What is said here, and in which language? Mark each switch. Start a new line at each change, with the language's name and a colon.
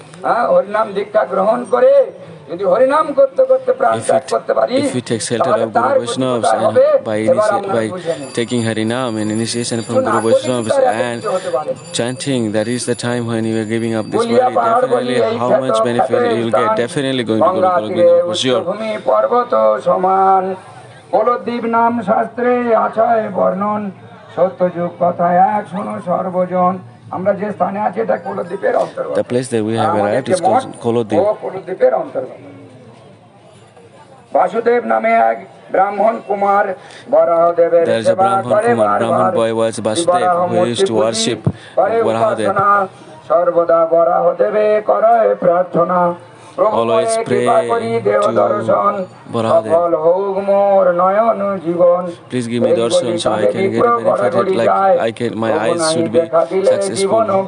English: If you take shelter of Guru Vaishnavas and by taking Harinam and initiation from Guru Vaishnavas and chanting, that is the time when you are giving up this body, definitely how much benefit you will get, definitely going to Guru Vaishnavas for sure.
Bangla: কলদ্বীপ নাম শাস্ত্রে আছে বর্ণন সত্যযুগ কথায় এক শোনো সর্বজন। আমরা যে স্থানে আছি এটা কলদ্বীপের অন্তর্গত।
English: The place that we have arrived is called Kaladwip.
Bangla: কলদ্বীপের অন্তর্গত। বাসুদেব নামে এক ব্রাহ্মণ Kumar বরাহদেবের
English: There is a Brahman Kumar, Brahman boy was Basudev who used to worship Varahadev.
Bangla: সর্বদা বরাহদেবে করে প্রার্থনা
English: Always pray to Varahadev. Please give me darshan so I can get benefited, like I can, my eyes should be successful.